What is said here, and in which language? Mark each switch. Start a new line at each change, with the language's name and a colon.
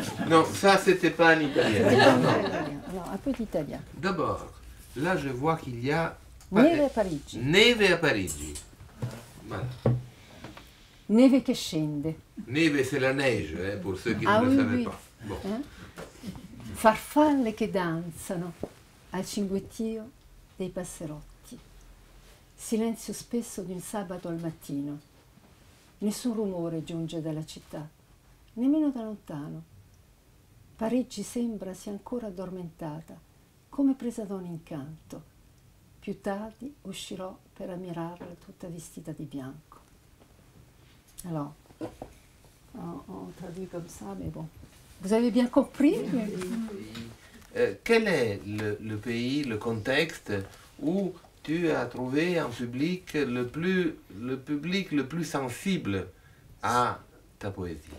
French: Non, ça, c'était pas un italien. C'était pas un italien. Non, un peu d'italien. D'abord, là, je vois qu'il y a...
Italian: Neve a Parigi. Neve a Parigi. Voilà. Neve che scende.
French: Neve, c'est la neige, pour ceux qui ne le savaient pas. Bon. Hein?
Italian: Farfalle che danzano al cinguettio dei passerotti. Silenzio spesso di un sabato al mattino. Nessun rumore giunge dalla città, nemmeno da lontano. Parigi sembra sia ancora addormentata, come presa da un incanto. Più tardi uscirò per ammirarla tutta vestita di bianco.
French: Alors, on traduit comme ça, mais bon. Vous avez bien compris? Oui, oui, oui. Quel est le pays, le contexte où tu as trouvé un public le plus sensible à ta poésie?